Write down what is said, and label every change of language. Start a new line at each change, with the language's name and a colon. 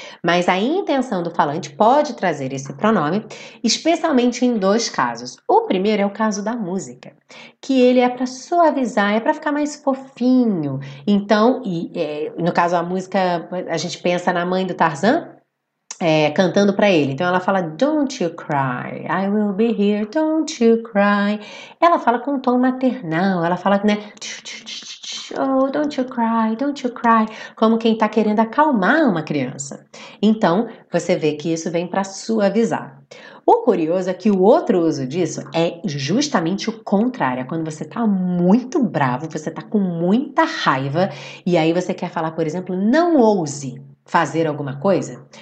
Portuguese: Mas a intenção do falante pode trazer esse pronome, especialmente em dois casos. O primeiro é o caso da música, que ele é para suavizar, é para ficar mais fofinho. Então, no caso a música, a gente pensa na mãe do Tarzan, cantando para ele. Então, ela fala:
English: Don't you cry, I will be here, don't you cry.
Portuguese: Ela fala com um tom maternal, ela fala, né?
English: Oh, don't you cry, don't you cry.
Portuguese: Como quem está querendo acalmar uma criança. Então, você vê que isso vem para suavizar. O curioso é que o outro uso disso é justamente o contrário. É quando você está muito bravo, você está com muita raiva, e aí você quer falar, por exemplo, não ouse fazer alguma coisa.